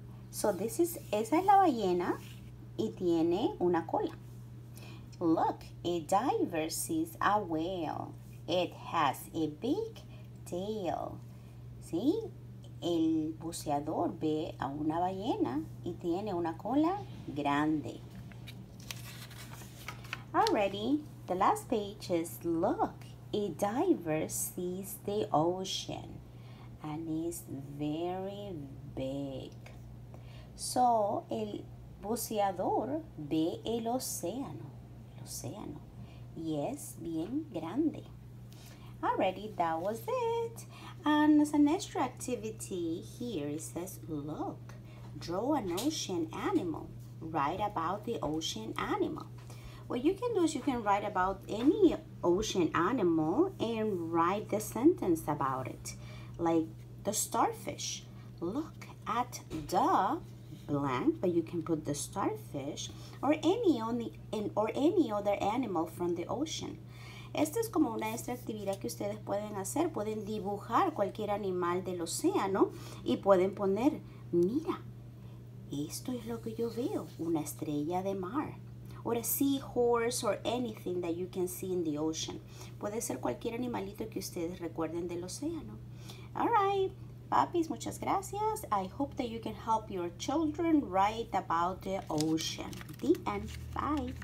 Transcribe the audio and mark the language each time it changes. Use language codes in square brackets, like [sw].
[en] So this is, [es] esa es la ballena, y tiene una cola. [en] Look, a diver sees a whale. It has a big tail. ¿Sí? [es] El buceador ve a una ballena y tiene una cola grande. [en] Alrighty, the last page is look, a diver sees the ocean and is very big. [es] So, el buceador ve el océano, y es bien grande. [en] Alrighty, that was it. And as an extra activity here, it says, look, draw an ocean animal. Write about the ocean animal. What you can do is you can write about any ocean animal and write the sentence about it. Like the starfish. Look at the blank, but you can put the starfish or any other animal from the ocean. [es] Esta es como una extra actividad que ustedes pueden hacer. Pueden dibujar cualquier animal del océano y pueden poner, mira, esto es lo que yo veo, una estrella de mar. [en] Or a seahorse or anything that you can see in the ocean. [es] Puede ser cualquier animalito que ustedes recuerden del océano. [en] All right, [es] papis, muchas gracias. [en] I hope that you can help your children write about the ocean. The end. Bye.